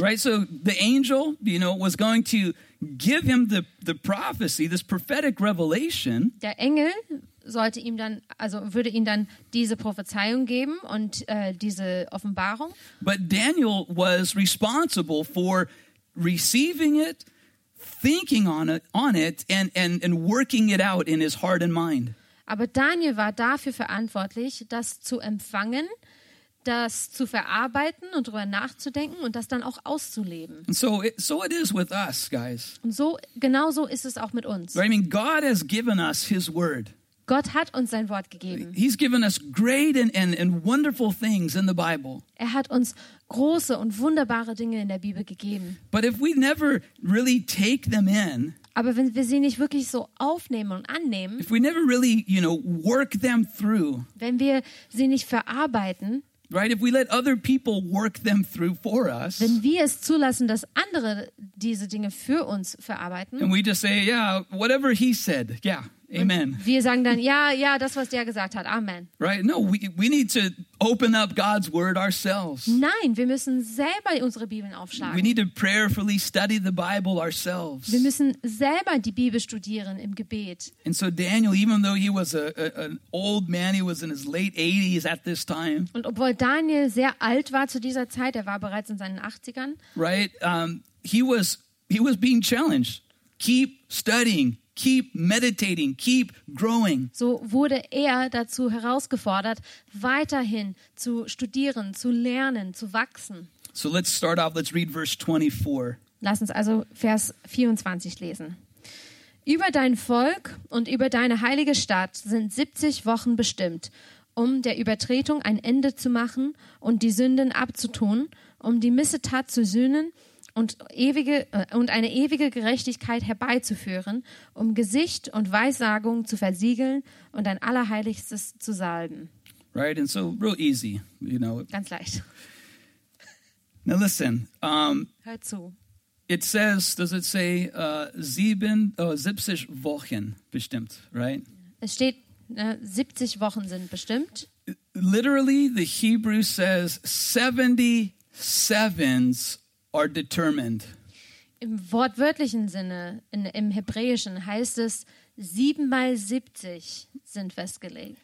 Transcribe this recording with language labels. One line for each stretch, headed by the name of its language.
English: Right, so the angel, was going to give him the prophecy, this prophetic revelation.
German: Der Engel sollte ihm dann, also würde ihm dann diese Prophezeiung geben und diese Offenbarung.
English: But Daniel was responsible for receiving it, thinking on it and working it out in his heart and mind.
German: Aber Daniel war dafür verantwortlich, das zu empfangen, das zu verarbeiten und darüber nachzudenken und das dann auch auszuleben.
English: So it is with us, guys.
German: Und so genau so ist es auch mit uns.
English: Right, I mean, God has given us his word.
German: Gott hat uns sein Wort gegeben.
English: He's given us great and wonderful things in the Bible.
German: Er hat uns große und wunderbare Dinge in der Bibel gegeben.
English: But if we never really take them in,
German: aber wenn wir sie nicht wirklich so aufnehmen und annehmen,
English: if we never really, work them through,
German: wenn wir sie nicht verarbeiten,
English: right, if we let other people work them through for us,
German: wenn wir es zulassen, dass andere diese Dinge für uns verarbeiten,
English: and we just say, yeah, whatever he said, yeah. Amen.
German: Und wir sagen dann ja, das was der gesagt hat. Amen.
English: Right? No, we need to open up God's word ourselves.
German: Nein, wir müssen selber unsere Bibeln aufschlagen.
English: We need to prayerfully study the Bible ourselves.
German: Wir müssen selber die Bibel studieren im Gebet.
English: And so Daniel, even though he was an old man, he was in his late 80s at this time.
German: Und obwohl Daniel sehr alt war zu dieser Zeit, er war bereits in seinen 80ern.
English: Right? He was being challenged. Keep studying. Keep meditating, keep growing.
German: So wurde er dazu herausgefordert, weiterhin zu studieren, zu lernen, zu wachsen.
English: So let's start off, let's read verse 24.
German: Lass uns also Vers 24 lesen. Über dein Volk und über deine heilige Stadt sind 70 Wochen bestimmt, um der Übertretung ein Ende zu machen und die Sünden abzutun, um die Missetat zu sühnen und eine ewige Gerechtigkeit herbeizuführen, um Gesicht und Weissagung zu versiegeln und ein Allerheiligstes zu salben.
English: Right, and so real easy, you know.
German: Ganz leicht.
English: Now listen.
German: Hör zu.
English: It says, does it say,
German: sieben, 70 Wochen bestimmt,
English: right?
German: Es steht, 70 Wochen sind bestimmt.
English: Literally, the Hebrew says 70 sevens are determined.
German: Im wortwörtlichen Sinne, im Hebräischen heißt es, 7 mal 70 sind festgelegt.